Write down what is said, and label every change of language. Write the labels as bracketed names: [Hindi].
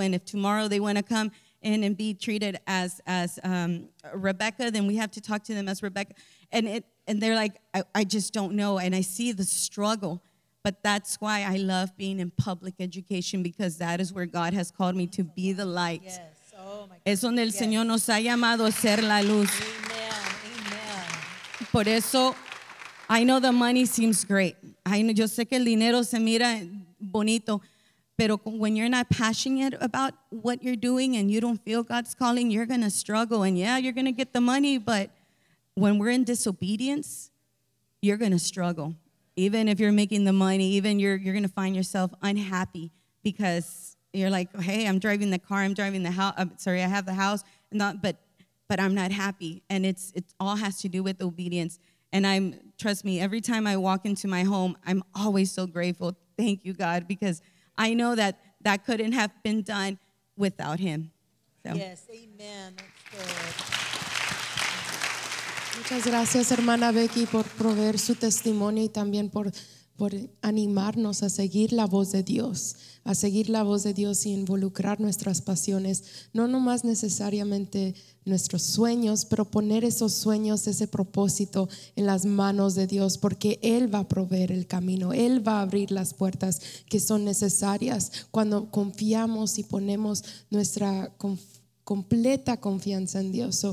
[English] And if tomorrow they want to come in and be treated as Rebecca, then we have to talk to them as Rebecca. And they're like, I just don't know. And I see the struggle. But that's why I love being in public education, because that is where God has called me to be the light. Yes. [Spanish] Es donde el Señor nos ha llamado a ser la luz. Amen. Por eso, [English] I know the money seems great. [Spanish] Yo sé que el dinero se mira bonito, pero [English] when you're not passionate about what you're doing and you don't feel God's calling, you're going to struggle. And yeah, you're going to get the money, but when we're in disobedience, you're going to struggle. Even if you're making the money, even you're going to find yourself unhappy because you're like, hey, I'm driving the car, I'm driving the house, I have the house, but I'm not happy. And it all has to do with obedience. And trust me, every time I walk into my home, I'm always so grateful. Thank you, God, because I know that that couldn't have been done without him. So. Yes, amen. That's good. [Spanish] Muchas gracias, hermana Becky, por proveer su testimonio y también por animarnos a seguir la voz de Dios, a seguir la voz de Dios y involucrar nuestras pasiones, no nomás necesariamente nuestros sueños, pero poner esos sueños, ese propósito en las manos de Dios, porque Él va a proveer el camino, Él va a abrir las puertas que son necesarias cuando confiamos y ponemos nuestra completa confianza en Dios.